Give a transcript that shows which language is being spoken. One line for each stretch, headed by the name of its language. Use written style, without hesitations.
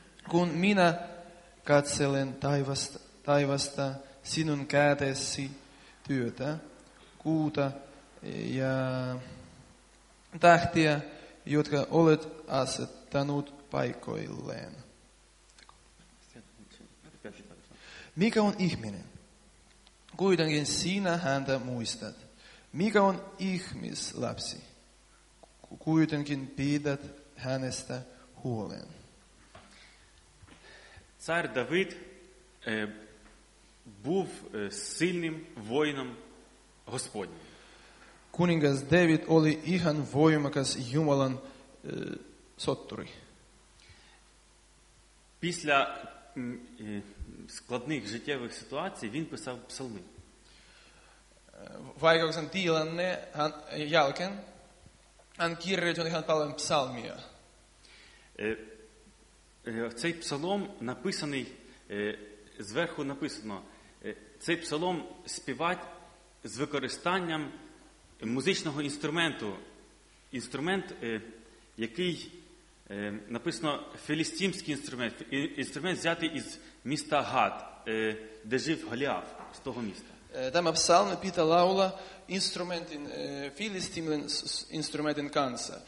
Finnish: Kun minä katselen taivasta sinun kätesi työtä, kuuta ja tähtiä, jotka olet asettanut paikoilleen. Mikä on ihminen? Kuitenkin sinä häntä muistat. Mikä on ihmislapsi? Kuitenkin pidät hänestä huolen.
Ukrainian: Цар Давид був сильним воїном Господнім.
Finnish: Kuningas David oli ihan voimakas Jumalan sotturi.
Ukrainian: Після складних життєвих ситуацій він писав псалми.
Finnish: Vaikeuksen tilanne hän jälkeen hän kirjoitti ihan paljon psalmia.
Ukrainian: Цей псалом написаний зверху написано. Цей псалом співать з використанням музичного інструменту. Інструмент, який написано філістимський інструмент, інструмент взятий із міста Гат, де жив Голіаф, з того міста.
Finnish: Tämä psalmi pitää laulaa instrumentin, filistimilin instrumentin kanssa.